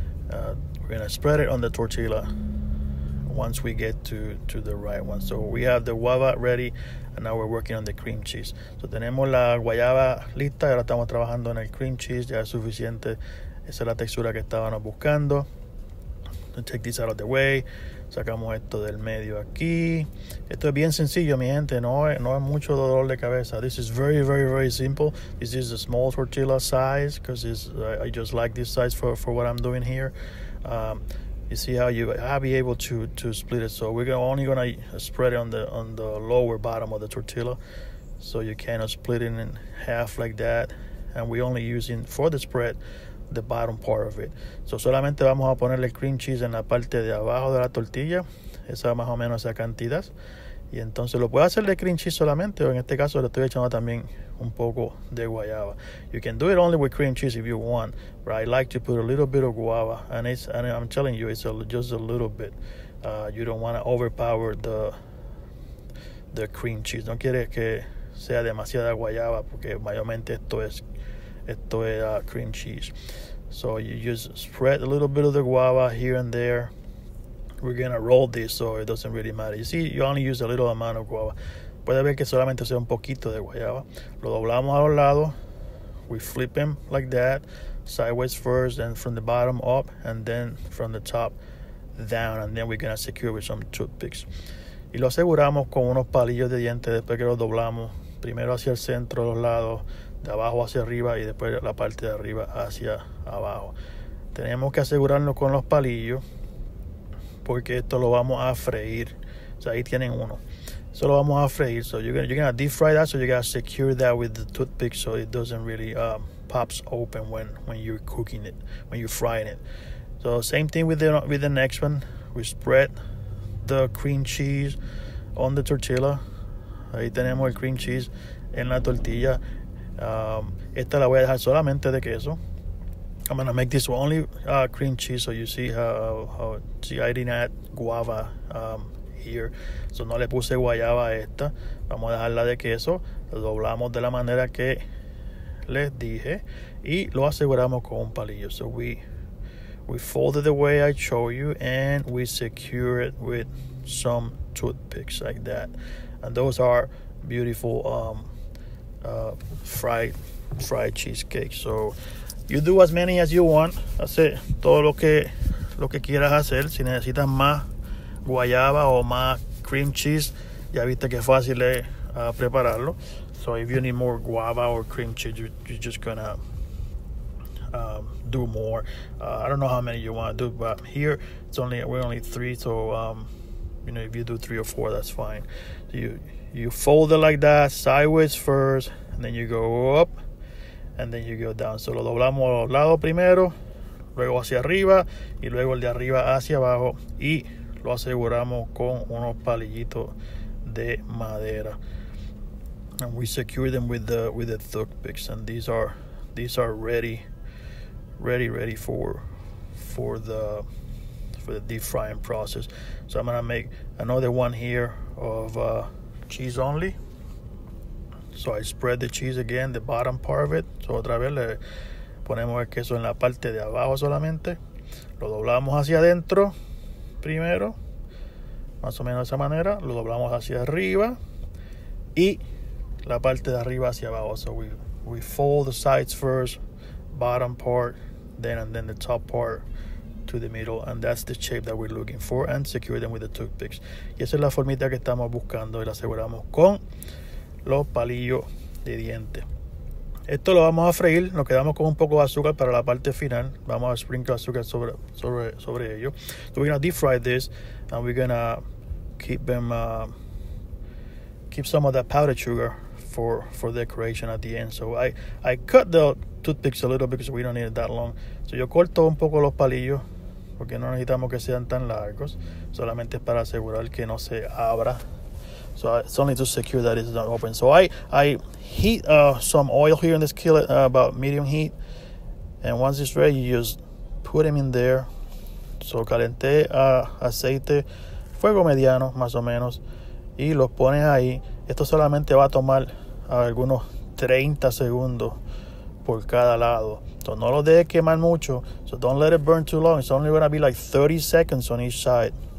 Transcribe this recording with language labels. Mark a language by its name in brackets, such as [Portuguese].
[English] We're going to spread it on the tortilla. Once we get to the right one. So we have the guava ready, and now we're working on the cream cheese. [Spanish] So tenemos la guayaba lista, ahora estamos trabajando en el cream cheese, ya es suficiente. Esa es la textura que estábamos buscando. [English] Let's take this out of the way. [Spanish] Sacamos esto del medio aquí. Esto es bien sencillo, mi gente. No es mucho dolor de cabeza. [English] This is very, very, very simple. This is a small tortilla size, because I just like this size for what I'm doing here. You see how I'll be able to split it. So we're only gonna spread it on the lower bottom of the tortilla. So you can split it in half like that. And we only using for the spread the bottom part of it. [Spanish] So solamente vamos a ponerle cream cheese en la parte de abajo de la tortilla. Esa más o menos esa cantidad. Y entonces lo puedo hacer de cream cheese solamente, o en este caso le estoy echando también un poco de guayaba. [English] You can do it only with cream cheese if you want, but I like to put a little bit of guava, and I'm telling you, it's just a little bit. You don't want to overpower the cream cheese. [Spanish] No quiere que sea demasiada guayaba, porque mayormente esto es cream cheese. [English] So you just spread a little bit of the guava here and there. We're going to roll this, so it doesn't really matter. You see, you only use a little amount of guava. [Spanish] Puede ver que solamente sea un poquito de guayaba. Lo doblamos a los lados. [English] We flip them like that, sideways first, and from the bottom up, and then from the top down, and then we're gonna secure with some toothpicks. [Spanish] Y lo aseguramos con unos palillos de dientes después que los doblamos, primero hacia el centro de los lados, de abajo hacia arriba, y después la parte de arriba hacia abajo. Tenemos que asegurarnos con los palillos, porque esto lo vamos a freír. O sea, ahí tienen uno. Eso lo vamos a freír. [English] So you're gonna deep fry that, so you gotta secure that with the toothpick so it doesn't really pops open when you're cooking it, when you're frying it. So same thing with the next one. We spread the cream cheese on the tortilla. [Spanish] Ahí tenemos el cream cheese en la tortilla. Esta la voy a dejar solamente de queso. [English] I'm gonna make this only cream cheese, so you see how see, I didn't add guava here. [Spanish] So no le puse guayaba a esta. Vamos a dejarla de queso. Lo doblamos de la manera que les dije y lo aseguramos con un palillo. [English] So we fold it the way I show you and we secure it with some toothpicks like that. And those are beautiful fried cheesecake. So you do as many as you want. [Spanish] Hace todo lo que quieras hacer. Si necesitas más guayaba o más cream cheese, ya viste que fácil es prepararlo. [English] So if you need more guava or cream cheese, you're just gonna do more. I don't know how many you want to do, but here we're only three. So you know, if you do three or four, that's fine. So you fold it like that, sideways first, and then you go up. And then you go down. [Spanish] So lo doblamos a los lados primero, luego hacia arriba, y luego el de arriba hacia abajo, y lo aseguramos con unos palillitos de madera. [English] And we secure them with the toothpicks. And these are ready for the deep frying process. So I'm gonna make another one here of cheese only. So I spread the cheese again, the bottom part of it. [Spanish] So otra vez le ponemos el queso en la parte de abajo solamente. Lo doblamos hacia adentro primero, más o menos de esa manera. Lo doblamos hacia arriba y la parte de arriba hacia abajo. [English] So we fold the sides first, bottom part, then the top part to the middle. And that's the shape that we're looking for. And secure them with the toothpicks. [Spanish] Y esa es la formita que estamos buscando y la aseguramos con los palillos de diente. Esto lo vamos a freír. Nos quedamos con un poco de azúcar para la parte final. Vamos a sprinkle azúcar sobre ello. [English] So we're gonna deep fry this and we're gonna keep them keep some of that powdered sugar for decoration at the end. So I cut the toothpicks a little because we don't need it that long. [Spanish] So yo corto un poco los palillos porque no necesitamos que sean tan largos, solamente para asegurar que no se abra. [English] So it's only to secure that it's not open. So I heat some oil here in the skillet, about medium heat. And once it's ready, you just put them in there. [Spanish] So calenté aceite, fuego mediano, más o menos. Y los pones ahí. Esto solamente va a tomar algunos 30 segundos por cada lado. So no lo dejes quemar mucho. [English] So don't let it burn too long. It's only going to be like 30 seconds on each side.